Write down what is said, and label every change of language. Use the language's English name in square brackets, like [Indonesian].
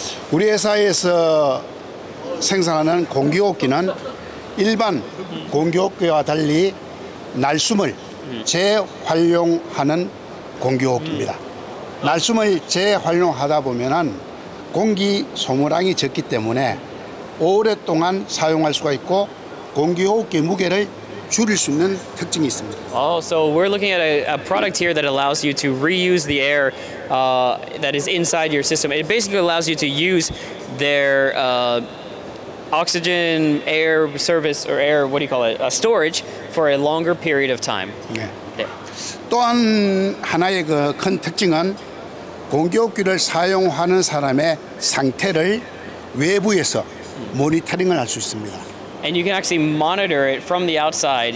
[Korean] 우리 회사에서 생산하는 공기호흡기는 일반 공기호흡기와 달리 날숨을 재활용하는 공기호흡기입니다. 날숨을 재활용하다 보면은 공기 소모량이 적기 때문에 오랫동안 사용할 수가 있고 공기호흡기 무게를 줄일 수 있는 특징이 있습니다. [English] Oh, so we're looking at a product here that allows you to reuse the air that is inside your system. It basically allows you to use their oxygen air service or air, what do you call it, storage for a longer period of time. [Korean] 네. 네. 또한 하나의 그 큰 특징은 공기호흡기를 사용하는 사람의 상태를 외부에서 모니터링을 할 수 있습니다. [English] And you can actually monitor it from the outside.